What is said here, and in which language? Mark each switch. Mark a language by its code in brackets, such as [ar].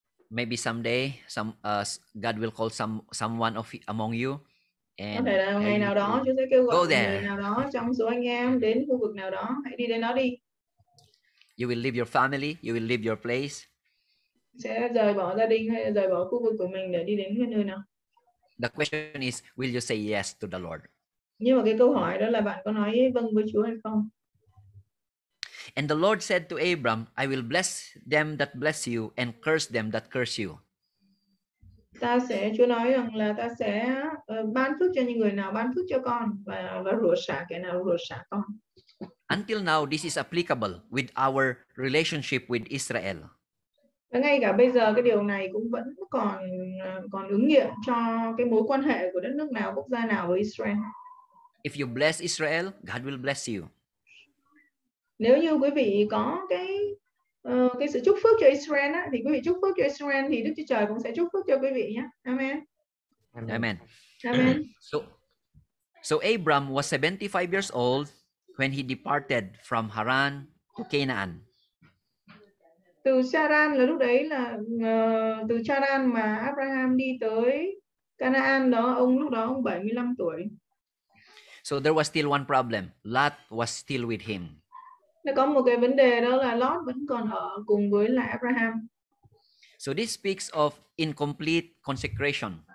[en] Maybe someday God will call someone of among you. [vi] Có thể là ngày nào đó Chúa sẽ kêu gọi người nào đó trong số anh em đến khu vực nào đó, hãy đi đến đó đi. [en] You will leave your family, you will leave your place. [vi] Sẽ rời bỏ gia đình hay rời bỏ khu vực của mình để đi đến cái nơi nào? [en] The question is, will you say yes to the Lord? [vi] Nhưng mà cái câu hỏi đó là bạn có nói vâng với Chúa hay không? [en] And the Lord said to Abram, I will bless them that bless you and curse them that curse you. [vi] Ta sẽ Chúa nói rằng là ta sẽ ban phước cho những người nào ban phước cho con và rủa sả kẻ nào rủa sả con. [en] Until now, this is applicable with our relationship with Israel. [vi] Và ngay cả bây giờ cái điều này cũng vẫn còn ứng nghiệm cho cái mối quan hệ của đất nước nào quốc gia nào với Israel. [en] If you bless Israel, God will bless you. [vi] Nếu như quý vị có cái sự chúc phước cho Israel á, thì quý vị chúc phước cho Israel thì Đức Chúa Trời cũng sẽ chúc phước cho quý vị nhé. [en] Amen. Amen. Amen. So Abram was 75 years old when he departed from Haran to Canaan. [vi] Từ Charan là lúc đấy là từ Charan mà Abraham đi tới Canaan đó, ông lúc đó ông 75 tuổi. [en] So there was still one problem. Lot was still with him. [vi] Nó có một cái vấn đề đó là Lot vẫn còn ở cùng với lại Abraham. [en] So this speaks of incomplete consecration.